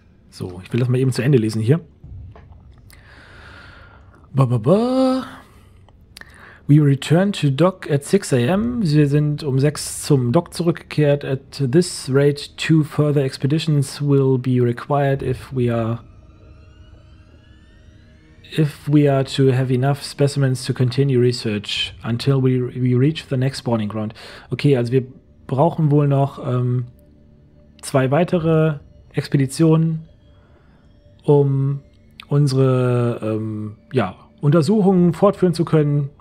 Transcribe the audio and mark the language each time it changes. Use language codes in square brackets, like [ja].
[de] So, ich will das mal eben zu Ende lesen hier. [en] Ba-ba-ba. We return to dock at 6 a.m. [de] Wir sind um 6 zum Dock zurückgekehrt. [en] At this rate, 2 further expeditions will be required if we are... If we are to have enough specimens to continue research until we reach the next spawning ground. [de] Okay, also wir brauchen wohl noch 2 weitere Expeditionen, um unsere Untersuchungen fortführen zu können.